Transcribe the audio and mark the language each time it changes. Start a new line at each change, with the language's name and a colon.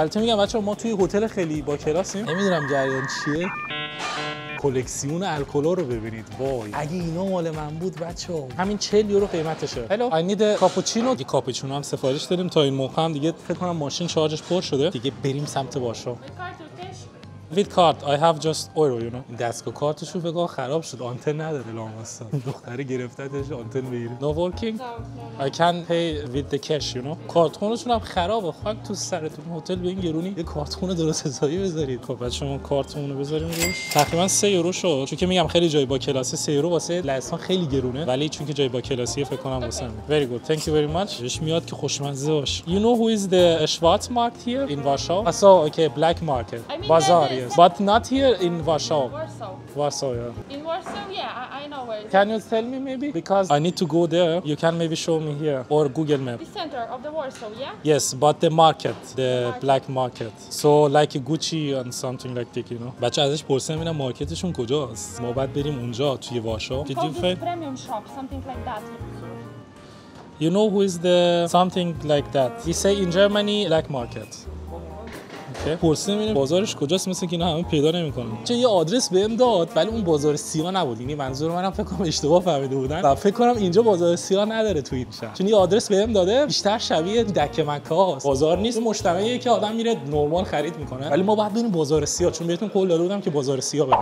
Persian: البته میگم بچه‌ها ما توی هتل خیلی با کلاسیم. نمیدونم جریان چیه. کلکسیون الکلا رو ببینید. وای اگه اینا مال من بود بچه‌ها، همین 40 یورو قیمتشه.
English: Hello I need cappuccino.
Persian: دیگه کاپوچینو هم سفارش دادیم تا این موقع. هم دیگه فکر کنم ماشین شارژش پر شده. دیگه بریم سمت باشو.
English: With card, I have just euro, you know.
Persian: دستگاه کارتشو بگو خراب شد، آنتن نداره لاماستا. دختره گرفتتش آنتن بگیره.
English: No working? I can pay with the cash, you know.
Persian: کارتخونتون هم خرابه، خاک تو سرتون. هتل به این گرونی یه کارتخون درست حسابی بذارید. خب بچه‌ها شما کارتمونو بذاریم روش. تقریبا 3 یورو شد. چون که میگم خیلی جای با کلاسه، 3 یورو واسه لهستان خیلی گرونه. ولی چون که جای با کلاسه فکر کنم واسه من.
English: Very good. Thank you very much.
Persian: ایش میاد که خوشمزه باش.
English: You know who is the Schwarzmarkt here in Warsaw? I saw okay, black market. Bazaar. Yes. But not here in Warsaw. Warsaw. Warsaw, yeah. In Warsaw, yeah, I know where. Can you tell me maybe? Because I need to go there. You can maybe show me here or Google Map. The center of the Warsaw, yeah? Yes, but the market, the market. Black market. So like a Gucci and something like that, you know.
Persian: بچه ازش پرسیدم اینا مارکتشون کجاست؟ ما باید بریم اونجا توی وارشو.
English: Did you find premium shop something like that? You know who is the something like that? We say in Germany black market.
Persian: پرسیدم این بازارش کجاست، مثل که اینا همه پیدا نمی‌کنن. چه یه آدرس بهم داد ولی اون بازار سیاه نبود. یعنی منظور منم فکر کنم اشتباه فهمیده بودن و فکر کنم اینجا بازار سیاه نداره توی این شهر، چون یه آدرس بهم داده بیشتر شبیه دکه مکاست. بازار نیست، مجتمعیه که آدم میره نرمال خرید میکنه. ولی ما باید بریم بازار سیاه، چون بهتون قول داده بودم که بازار سیاه بریم.